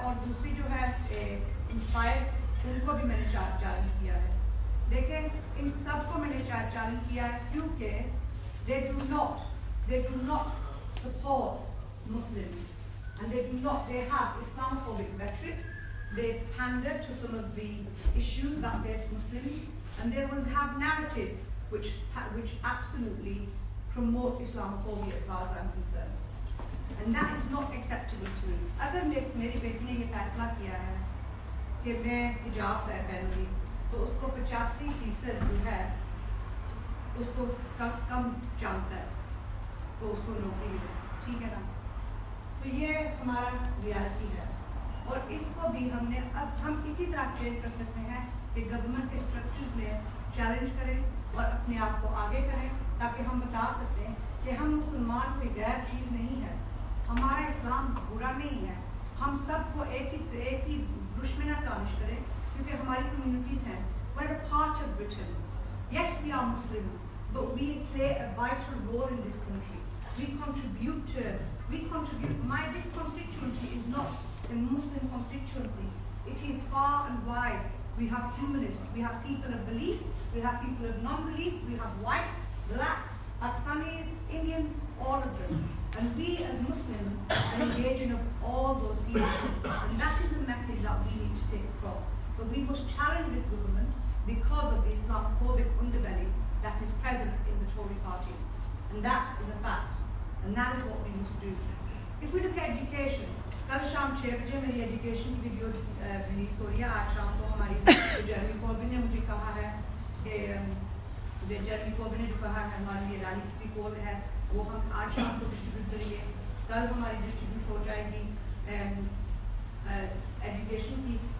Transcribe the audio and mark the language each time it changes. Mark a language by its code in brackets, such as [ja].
[hi] और दूसरी जो है इंस्पायर, उनको भी मैंने चैलेंज किया है. देखें, इन सबको मैंने चैलेंज किया है क्योंकि [en] They do not support Muslim and they have Islamophobic rhetoric. They pander to some of the issues that face Muslims, and they will have narratives which absolutely promote Islamophobia, as far as I'm concerned. And that is not acceptable to me. [hi] अगर मेरी बेटी ने ये फैसला किया है कि मैं हिजाब पहन पहनूंगी, तो उसको 85% जो है उसको कम चांस है तो उसको नौकरी मिले, ठीक है ना. तो ये हमारा रियलिटी है और इसको भी हमने अब हम इसी तरह चेंज कर सकते हैं कि गवर्नमेंट के स्ट्रक्चर में चैलेंज करें और अपने आप को आगे करें, ताकि हम बता सकते हैं कि हम मुसलमान कोई गैर चीज़ नहीं है, हमारा इस्लाम बुरा नहीं है. हम सबको एक ही ब्रश में ना तानिश करें, क्योंकि हमारी कम्युनिटीज हैं, [en] We are part of Britain. Yes we are Muslim, but we play a vital role in this country. We contribute my this constituency is not a Muslim constituency. It is far and wide. We have humanists, we have people of belief, we have people of non-belief, we have white, black, Pakistanis, Indian, all of them. And we as Muslims are engaging of all those people. And that is the message that we need to take across. But we must challenge this government because of the Islamophobic underbelly that is present in the Tory party. And that is a fact. And that is what we must do. If we look at education, [hi] कल शाम 6 बजे मेरी education की video release हो रही है. आज शाम को हमारी जर्मी कॉर्बिन ने मुझे कहा है कि जर्मी कॉर्बिन ने जो कहा है हमारे लिए रैली की कॉल है, वो हम आज शाम को डिस्ट्रीब्यूट करेंगे. कल हमारी डिस्ट्रीब्यूट हो जाएगी एजुकेशन की.